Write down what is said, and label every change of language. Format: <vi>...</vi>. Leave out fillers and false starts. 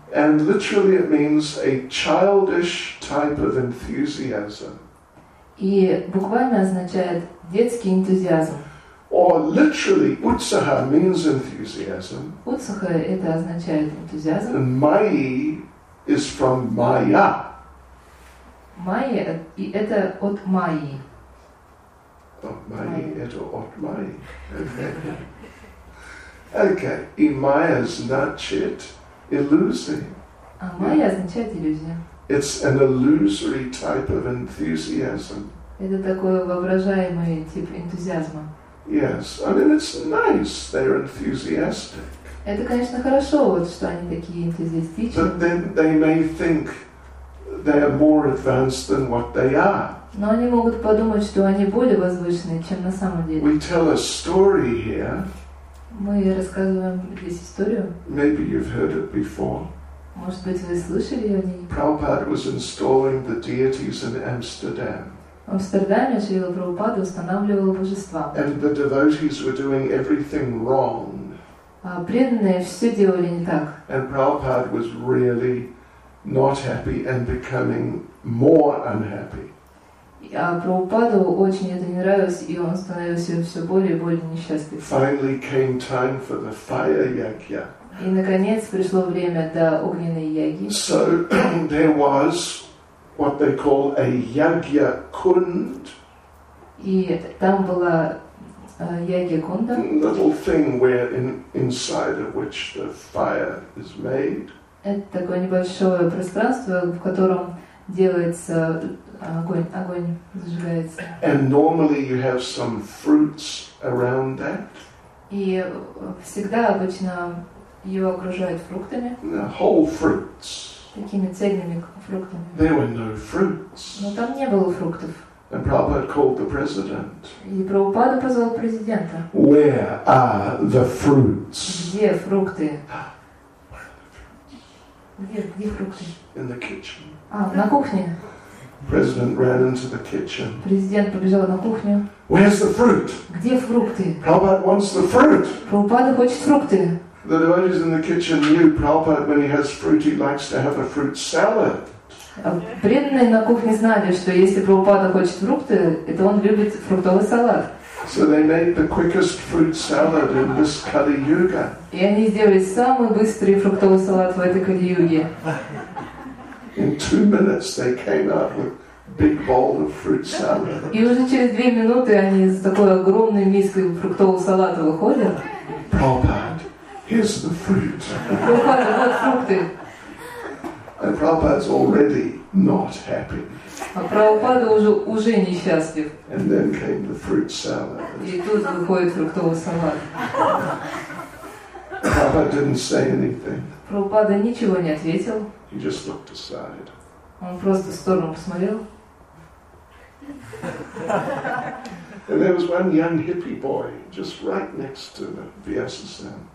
<en>And literally it means a childish type of enthusiasm.</en> <ru>И буквально означает детский энтузиазм.</ru> <en>Or literally, Utsaha means enthusiasm.</en> <ru>Utsaha – это означает энтузиазм.</ru> <en>And Mayi is from Maya.</en> <ru>Mayi – и это от Mayi. Mayi, это от Mayi. Okay. И Maya значит иллюзия. А Maya означает иллюзия.</ru> <en>It's an illusory type of enthusiasm.</en> <ru>Это такой воображаемый тип энтузиазма.</ru> <en>Yes, I mean it's nice. They're enthusiastic.</en> <ru>Это, конечно, хорошо, вот что они такие энтузиастичные.</ru> <en>But then they may think they are more advanced than what they are.</en> <ru>Но они могут подумать, что они более возвышенные, чем на самом деле.</ru> <en>We tell a story here.</en> <ru>Мы рассказываем здесь историю.</ru> <en>Maybe you've heard it before.</en> <ru>Может быть, вы слышали о ней.</ru> <en>Prabhupada was installing the deities in Amsterdam.</en> <ru>В Амстердаме Шрила Прабхупада устанавливал божества.</ru> <en>And the devotees were doing everything wrong.</en> <ru>А преданные все делали не так.</ru> <en>And Prabhupada was really not happy and becoming more unhappy.</en> <ru>А Прабхупаду очень это не нравилось, и он становился все более и более несчастным.</ru> <en>Finally came time for the fire yagya.</en> <ru>И наконец пришло время для огненной яги.</ru> <en>So there was what they call a yagya kund.</en> <ru>И там была yagya kunda.</ru> <en>Little thing where inside of which the fire is made.</en> <ru>Это такое небольшое пространство, в котором делается огонь зажигается.</ru> <en>And normally you have some fruits around that.</en> <ru>И всегда обычно ее окружают фруктами.</ru> <en>Whole fruits.</en> <ru>Такими цельными фруктами.</ru> <en>There were no fruits.</en> <ru>Но там не было фруктов.</ru> <en>And Prabhupada called the president.</en> <ru>И Прабхупада позвал президента.</ru> <en>Where are the fruits?</en> <ru>Где фрукты? Где фрукты?</ru> <en>In the kitchen.</en> <ru>А, на кухне.</ru> <en>President ran into the kitchen.</en> <ru>Президент побежал на кухню.</ru> <en>Where's the fruit?</en> <ru>Где фрукты?</ru> <en>Prabhupada wants the fruit.</en> <ru>Прабхупада хочет фрукты.</ru> <en>The devotees in the kitchen knew Prabhupada when he has fruit he likes to have a fruit salad.</en> <ru>Преданные на кухне знали, что если Прабхупада хочет фрукты, это он любит фруктовый салат.</ru> <en>So they made the quickest fruit salad in this Kali Yuga.</en> <ru>И они сделали самый быстрый фруктовый салат в этой Кали Юге.</ru> <en>In 2 minutes they came out with big bowl of fruit salad.</en> <ru>И уже через 2 минуты они с такой огромной миской фруктового салата выходят.</ru> <en>Prabhupada, here's the fruit.</en> <ru>Прабхупада, вот фрукты.</ru> <en>And Prabhupada's already not happy.</en> <ru>А Прабхупада уже несчастлив.</ru> <en>And then came the fruit salad.</en> <ru>И тут выходит фруктовый салат.</ru> <en>Prabhupada didn't say anything.</en> <ru>Прабхупада ничего не ответил.</ru> <en>He just looked aside.</en> <ru>Он просто в сторону посмотрел.</ru> <en>And there was one young hippie boy just right next to the Vyasasana.</en>